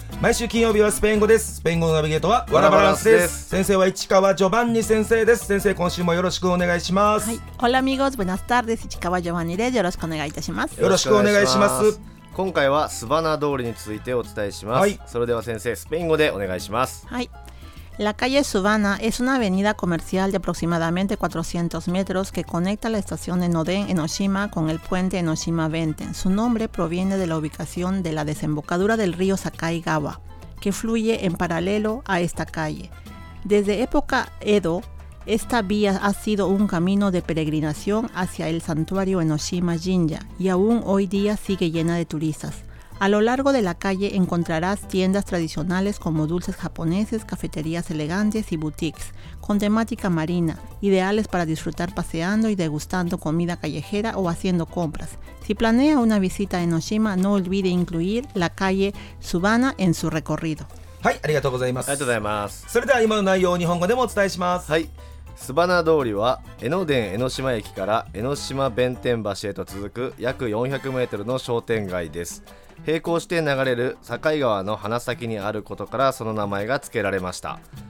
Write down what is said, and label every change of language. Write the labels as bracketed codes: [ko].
[ja] 毎週金曜日はスペイン語です。スペイン語のナビゲートはワラバランスです。先生は市川ジョバンニ先生です。先生、今週もよろしくお願いします。はい、 [es] ホラミゴズブナスター [ja] です。市川ジョバンニです。よろしくお願いいたします。よろしくお願いします。今回はスバナ通りについてお伝えします。はい、それでは先生、スペイン語でお願いします。 [es] はい、La calle Subana es una avenida comercial de aproximadamente 400 metros que conecta la estación de Noden en Oshima con el puente Enoshima Benten. Su nombre proviene de la ubicación de la desembocadura del río Sakaigawa, que fluye en paralelo a esta calle. Desde época Edo, esta vía ha sido un camino de peregrinación hacia el santuario Enoshima Jinja y aún hoy día sigue llena de turistas. A lo largo de la calle encontrarás tiendas tradicionales como dulces japoneses, cafeterías elegantes y boutiques con temática marina, ideales para disfrutar paseando y degustando comida callejera o haciendo compras. Si planea una visita en Oshima, no olvide incluir la calle Subana en su recorrido. [ja] はい、ありがとうございます。ありがとうございます。それでは今の内容を日本語でもお伝えします。はい。スバナ通りは江ノ電江ノ島駅から江ノ島弁天橋へと続く約400メートルの商店街です。並行して流れる境川の花咲にあることからその名前が付けられました。